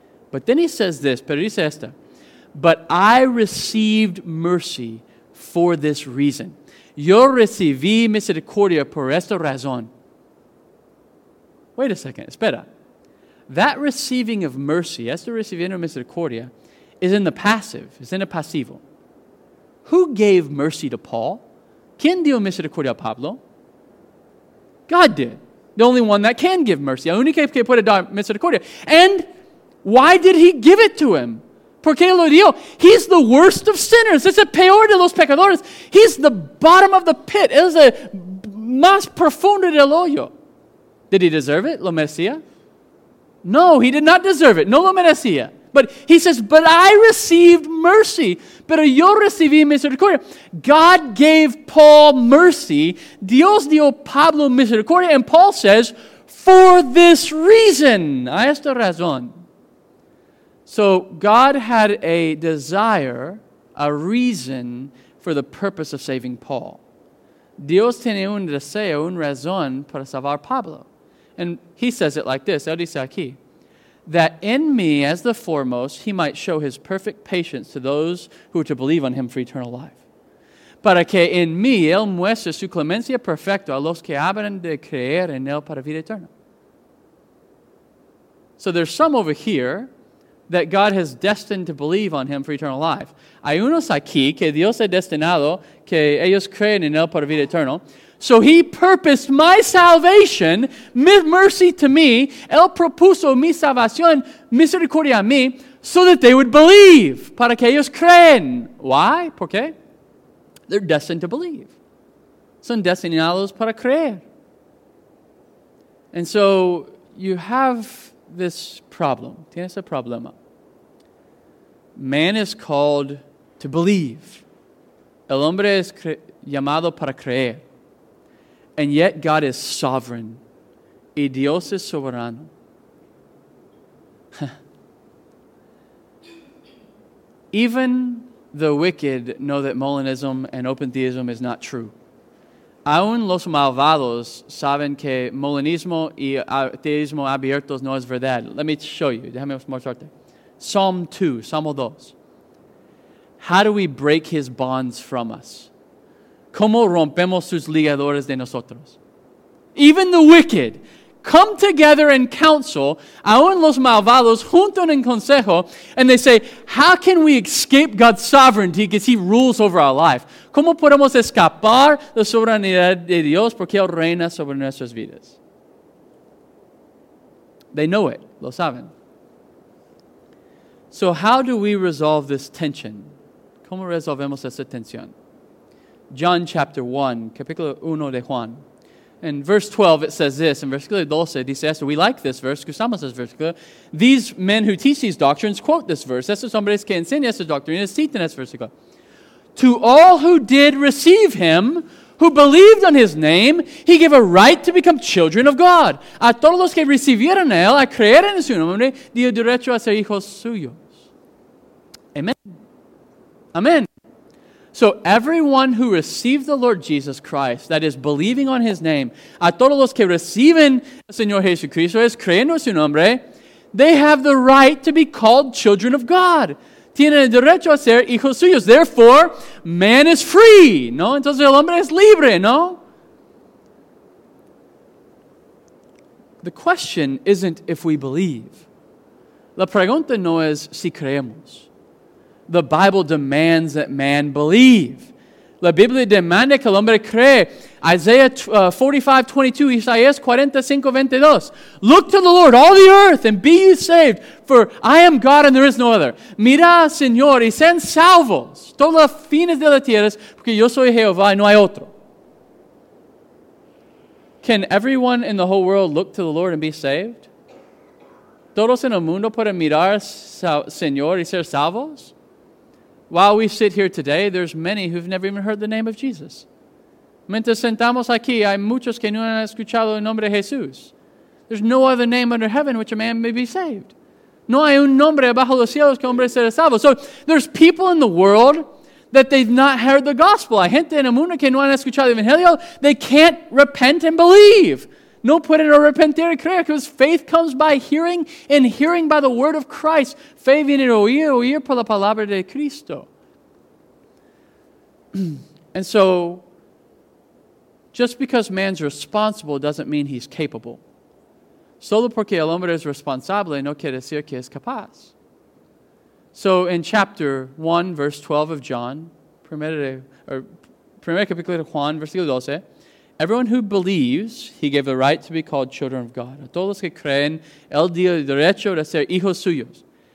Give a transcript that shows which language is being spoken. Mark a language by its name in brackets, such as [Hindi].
[English] But then he says this, [Spanish] pero dice esta, [English] but I received mercy for this reason. [Spanish] Yo recibí misericordia por esta razón. [English] Wait a second, [Spanish] espera. [English] That receiving of mercy, [Spanish] esto recibiendo misericordia, [English] is in the passive, [Spanish] is in a pasivo. [English] Who gave mercy to Paul? [Spanish] ¿Quién dio misericordia a Pablo? [English] God did. The only one that can give mercy. [Spanish] El único que puede dar misericordia. [English] And why did he give it to him? [Spanish] ¿Por qué lo dio? [English] He's the worst of sinners. [Spanish] Es el peor de los pecadores. [English] He's the bottom of the pit. [Spanish] Es el más profundo del hoyo. [English] Did he deserve it? [Spanish] ¿Lo merecía? [English] No, he did not deserve it. [Spanish] No lo merecía. [English] But he says, but I received mercy. [Spanish] Pero yo recibí misericordia. [English] God gave Paul mercy. [Spanish] Dios dio Pablo misericordia. [English] And Paul says, for this reason, [Spanish] a esta razón. [English] So God had a desire, a reason for the purpose of saving Paul. [Spanish] Dios tiene un deseo, un razón para salvar Pablo. [English] And he says it like this, [Spanish] él dice aquí, [English] that in me as the foremost he might show his perfect patience to those who are to believe on him for eternal life. [Spanish] Para que en mí él muestre su clemencia perfecta a los que habrán de creer en él para vida eterna. [English] So there's some over here that God has destined to believe on him for eternal life. [Spanish] Hay unos aquí que Dios ha destinado que ellos creen en él para vida eterna. [English] So he purposed my salvation, mercy to me, [Spanish] él propuso mi salvación, misericordia a mí, [English] so that they would believe, [Spanish] para que ellos creen. [English] Why? [Spanish] ¿Por qué? [English] They're destined to believe. [Spanish] Son destinados para creer. [English] And so you have this problem. [Spanish] Tienes el problema. [English] Man is called to believe. [Spanish] El hombre es llamado para creer. [English] And yet God is sovereign. [Spanish] Y Dios es soberano. [English] Even the wicked know that Molinism and open theism is not true. [Spanish] Aún los malvados saben que Molinismo y ateísmo abiertos no es verdad. [English] Let me show you. [Spanish] Déjame mostrarte. [English] Psalm 2, [Spanish] Salmo 2. [English] How do we break his bonds from us? [Spanish] ¿Cómo rompemos sus ligadores de nosotros? [English] Even the wicked come together in council, [Spanish] aun los malvados juntan en consejo, [English] and they say, how can we escape God's sovereignty because he rules over our life? [Spanish] ¿Cómo podemos escapar la soberanía de Dios porque él reina sobre nuestras vidas? [English] They know it. [Spanish] Lo saben. [English] So how do we resolve this tension? [Spanish] ¿Cómo resolvemos esa tensión? [English] John chapter 1, [Spanish] capítulo 1 de Juan. [English] In verse 12, it says this. In [Spanish] versículo 12, dice esto. [English] We like this verse. [Spanish] Gustamos este versículo. [English] These men who teach these doctrines quote this verse. [Spanish] Estos hombres que enseñan estas doctrinas citan este versículo. [English] To all who did receive him, who believed on his name, he gave a right to become children of God. [Spanish] A todos los que recibieron él, a creer en su nombre, dio derecho a ser hijos suyos. Amen. Amen. [English] So everyone who received the Lord Jesus Christ, that is believing on his name, [Spanish] a todos los que reciben el Señor Jesucristo, es creyendo en su nombre, [English] they have the right to be called children of God. [Spanish] Tienen el derecho a ser hijos suyos. [English] Therefore, man is free, [Spanish] ¿no? Entonces el hombre es libre, ¿no? [English] The question isn't if we believe. [Spanish] La pregunta no es si creemos. [English] The Bible demands that man believe. [Spanish] La Biblia demanda que el hombre cree. [English] Isaiah 45:22, [Spanish] Isaías 45:22. [English] Look to the Lord, all the earth, and be you saved, for I am God and there is no other. [Spanish] Mira, Señor, y sean salvos, todos los fines de la tierra, porque yo soy Jehová y no hay otro. [English] Can everyone in the whole world look to the Lord and be saved? [Spanish] ¿Todos en el mundo pueden mirar, Señor, y ser salvos? [English] While we sit here today, there's many who've never even heard the name of Jesus. [Spanish] Mientras sentamos aquí, hay muchos que no han escuchado el nombre de Jesús. [English] There's no other name under heaven which a man may be saved. [Spanish] No hay un nombre bajo los cielos que hombre sea salvo. [English] So there's people in the world that they've not heard the gospel. [Spanish] Hay gente en el mundo que no han escuchado el evangelio. [English] They can't repent and believe. [Spanish] No pueden arrepentir y creer, [English] because faith comes by hearing, and hearing by the word of Christ. [Spanish] Fe viene de oír, oír por la palabra de Cristo. [English] And so, just because man's responsible doesn't mean he's capable. [Spanish] Solo porque el hombre es responsable no quiere decir que es capaz. [English] So, in chapter 1, verse 12 of John, [Spanish] primer capítulo de Juan, versículo 12, [English] everyone who believes, he gave the right to be called children of God. [Spanish] A todos los que creen, él dio el derecho de ser hijos suyos.